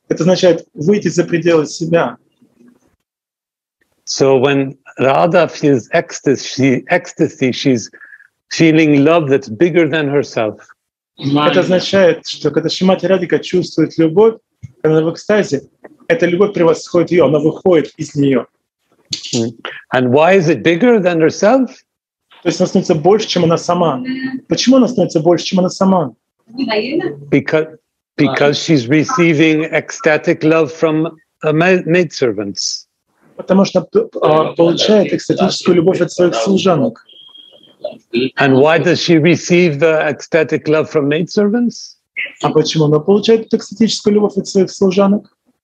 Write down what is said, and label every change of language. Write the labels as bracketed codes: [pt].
[ru] Это означает выйти за пределы себя. [en] So when Radha feels ecstasy, she's feeling love that's bigger than herself. [ru] Это означает, что когда Шримати Радхика чувствует любовь, Она в экстазе. Эта любовь превосходит ее, она выходит из нее. [en] And why is it bigger than herself? [ru] То есть она становится больше, чем она сама. Почему она становится больше, чем она сама? [en] Because she's receiving ecstatic love from maidservants. [ru] Потому что получает экстатическую любовь от своих служанок. [en] And why does she receive the ecstatic love from maidservants? [ru] А почему она получает экстатическую любовь от своих служанок?